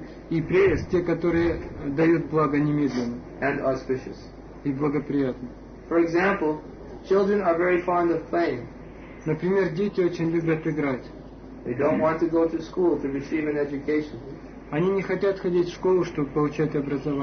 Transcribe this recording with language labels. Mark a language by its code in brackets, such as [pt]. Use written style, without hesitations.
[ru] И prayas — те, которые дают благо немедленно. [en] And auspicious. [ru] И благоприятны. [en] For example, children are very fond of playing. [ru] Например, дети очень любят играть. [en] They don't want to go to school to receive an education. [ru] Они не хотят ходить в школу, чтобы получать образование.